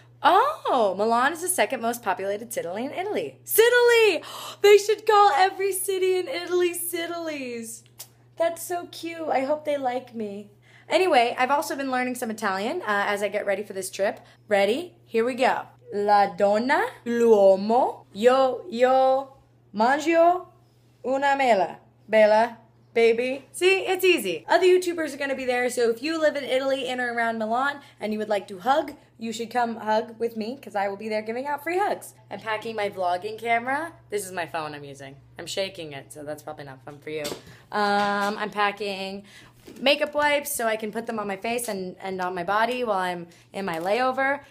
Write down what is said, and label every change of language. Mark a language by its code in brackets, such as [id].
[en] Oh, Milan is the second most populated city in Italy. Sidily! They should call every city in Italy Sidilies. That's so cute. I hope they like me. Anyway, I've also been learning some Italian as I get ready for this trip. Ready? Here we go. [it] La donna, l'uomo, io mangio una mela, bella. [en] Baby. See, it's easy. Other YouTubers are going to be there, so if you live in Italy, in or around Milan, and you would like to hug, you should come hug with me, because I will be there giving out free hugs. I'm packing my vlogging camera. This is my phone I'm using. I'm shaking it, so that's probably not fun for you. I'm packing makeup wipes so I can put them on my face and on my body while I'm in my layover.